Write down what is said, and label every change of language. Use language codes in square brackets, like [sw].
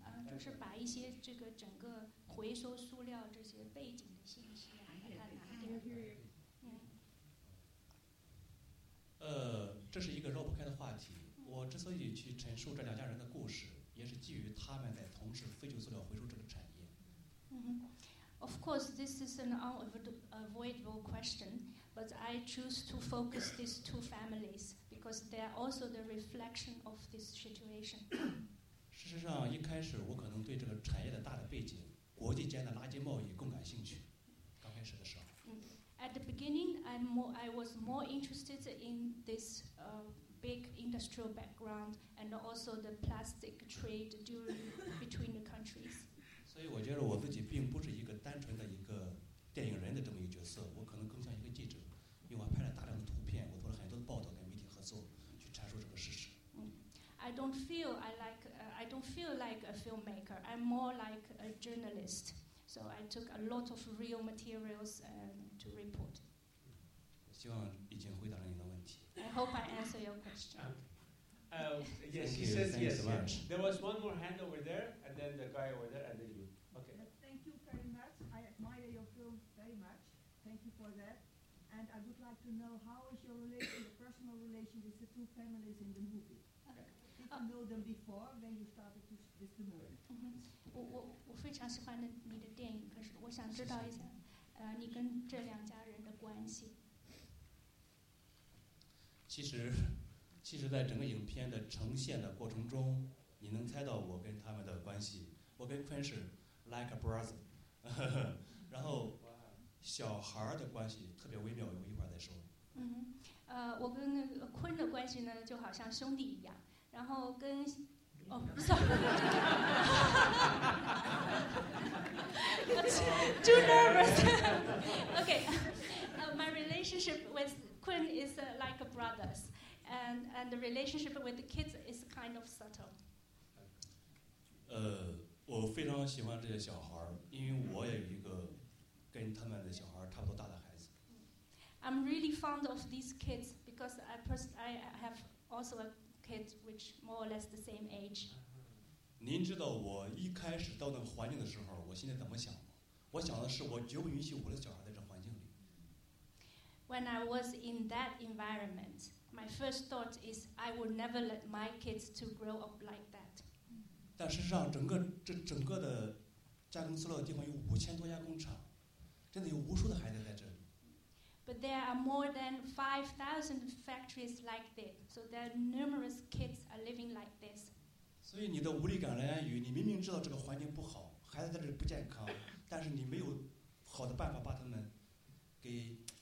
[zh] 就是把一些这个整个回收塑料这些背景的信息把它拿掉。这是一个绕不开的话题。我之所以去陈述这两家人的故事，也是基于他们在从事废旧塑料回收这个产业。 [en] Of course, this is an unavoidable question, but I choose to focus these two families because they are also the reflection of this situation. [zh] 事实上，一开始我可能对这个产业的大的背景、国际间的垃圾贸易更感兴趣。刚开始的时候。 [en] At the beginning, I was more interested in this. Big industrial background and also the plastic trade between the countries. [zh] 所以我觉得我自己并不是一个单纯的一个电影人的这么一个角色，我可能更像一个记者，因为我拍了大量的图片，我做了很多的报道，跟媒体合作去阐述这个事实。 [en] I don't feel like a filmmaker. I'm more like a journalist. So I took a lot of real materials to report. [zh] 希望已经回答了你的问题。 [en] I hope I answer your question. Yes, thank you so much. There was one more hand over there, and then the guy over there, and then you. Okay. Thank you very much. I admire your film very much. Thank you for that. And I would like to know, how is your personal relation with the two families in the movie? Did you know them before when you started with the movie? [zh] 我非常喜欢你的电影，可是我想知道一下，你跟这两家人的关系。其实在整个影片的呈现的过程中，你能猜到我跟他们的关系。我跟坤是 [en] like a brother， [zh] 然后小孩的关系特别微妙，我一会儿再说。我跟坤的关系呢就好像兄弟一样，然后跟 [en] sorry, too nervous. Okay, my relationship with Quinn is like a brother, and the relationship with the kids is kind of subtle. [zh] 我非常喜欢这些小孩，因为我也有一个跟他们的小孩差不多大的孩子。 [en] I'm really fond of these kids because I have also a kid which more or less the same age. [zh] 您知道我一开始到那个环境的时候，我现在怎么想吗？我想的是，我绝不允许我的小孩在这环境里。 [en] When I was in that environment, my first thought is I would never let my kids to grow up like that. [zh] 但事实上，整个的加工塑料的地方有5000多家工厂，真的有无数的孩子在这里。 [en] But there are more than 5,000 factories like this, so there are numerous kids are living like this. [zh] 所以你的无力感来源于你明明知道这个环境不好，孩子在这里不健康，但是你没有好的办法把他们给。